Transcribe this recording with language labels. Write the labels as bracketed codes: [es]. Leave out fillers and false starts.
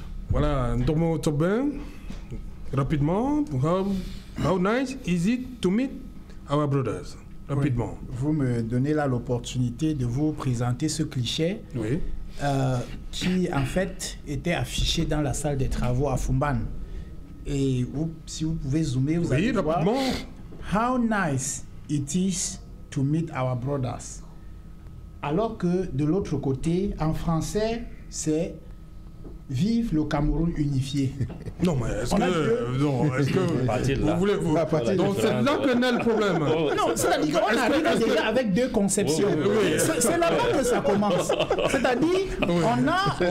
[fr] Voilà, Ndomo Tobin, rapidement, [en] how nice is it to meet our brothers, [fr] rapidement. Oui. Vous me donnez là l'opportunité de vous présenter ce cliché qui, en fait, était affiché dans la salle des travaux à Fumban. Et vous, si vous pouvez zoomer, vous allez rapidement. Voir. [en] How nice it is to meet our brothers. [fr] Alors que de l'autre côté, en français, c'est... Vive le Cameroun unifié. Non, mais est-ce que vous voulez vous partir? Donc, c'est là que naît le problème. Non, c'est-à-dire qu'on arrive déjà avec deux conceptions. C'est là-bas que ça commence. C'est-à-dire, on a.